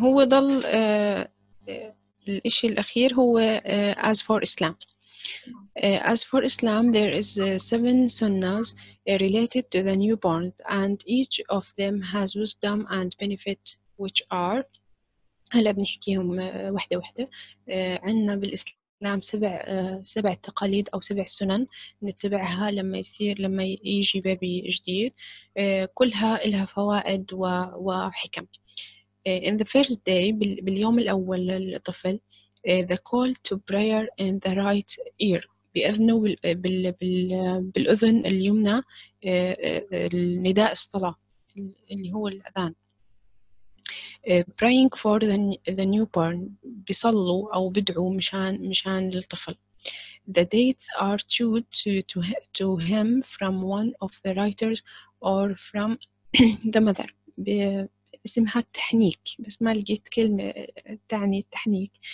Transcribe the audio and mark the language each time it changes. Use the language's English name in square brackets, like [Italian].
[Arabic] هو ضل الإشي الأخير هو [English] as for Islam. As for Islam, there is seven sunnahs related to the newborn, and each of them has wisdom and benefit, which are. [Arabic] هلا بنحكيهم واحدة واحدة. عندنا بالإسلام سبع تقاليد أو سبع سنن نتبعها لما يصير لما يجي بيبي جديد. كلها لها فوائد وحكم. [English] In the first day, [Arabic] باليوم الأول للطفل. [English] The call to prayer in the right ear. [Arabic] بأذنه بالأذن اليمنى النداء الصلاة اللي هو الأذان. [English] Praying for the newborn. [Arabic] بيصلوا أو بدعوا مشان الطفل. [English] The dates are chewed to him from one of the writers or from the mother. [Arabic] اسمها التحنيك، بس ما لقيت كلمة تعني التحنيك.